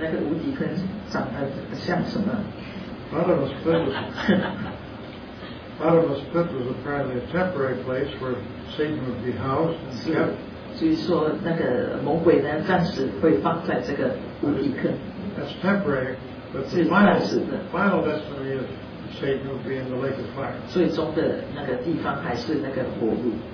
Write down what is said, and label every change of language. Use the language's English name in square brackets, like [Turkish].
[Chinese] 它那个无底坑长得像什么 [English] ？Bottomless pit was bottomless pit was apparently a temporary place where Satan would be housed and kept. [Chinese] 所以说那个魔鬼呢，暂时会放在这个无底坑。 [English] That's temporary. But the final destiny of Satan will be in the lake of fire. [Chinese] 最终的那个地方还是那个火炉。